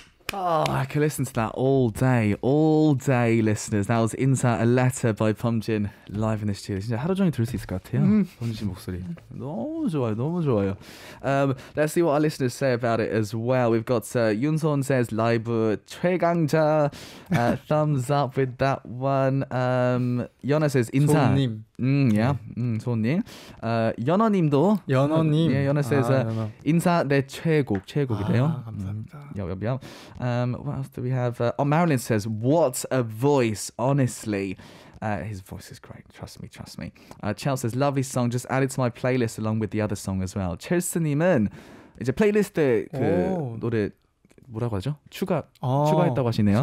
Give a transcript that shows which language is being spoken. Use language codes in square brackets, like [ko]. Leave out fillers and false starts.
[en] Oh, I could listen to that all day, listeners. That was Insert a Letter by Pumjin live in the studio. [ko] 진짜 하루 종일 들을 수 있을 것 같아요. 펌진 목소리 너무 좋아요, 너무 좋아요. [en] Let's see what our listeners say about it as well. We've got Yunson says live 최강자, thumbs up with that one. Yona says Insert. [ko] 소원님. Yeah, 소원님. 연어님도. 연어님. Yeah, Yona says Insert 내 최곡, 최곡이래요. 감사합니다. [en] Yeah, yeah, yeah. What else do we have? Oh, Marilyn says, what a voice, honestly. His voice is great. Trust me, trust me. Chel says, lovely song. Just added to my playlist along with the other song as well. [ko] 첼스님은 이제 플레이리스트 그 노래 뭐라고 하죠? 추가, 추가했다고 하시네요.